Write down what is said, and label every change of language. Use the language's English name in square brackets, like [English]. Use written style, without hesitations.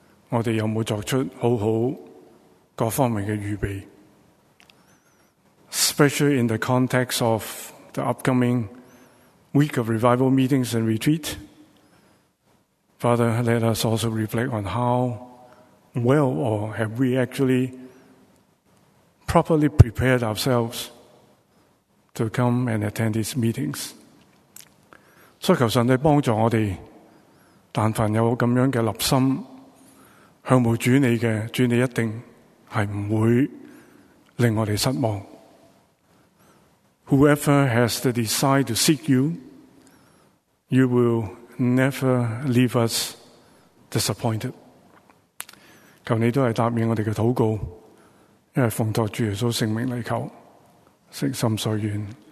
[Chinese] 我们有没有作出好好各方面的预备， [English] especially in the context of the upcoming week of revival meetings and retreat. Father, let us also reflect on how well or have we actually properly prepared ourselves to come and attend these meetings. [Chinese] 所以求神你帮助我们，但凡有这样的立心向慕主你的，主你一定是不会令我们失望。 [English] Whoever has the desire to seek you, you will never leave us disappointed. [Chinese] 求你都是答应我们的祷告，因为奉托主耶稣圣名来求，诚心所愿。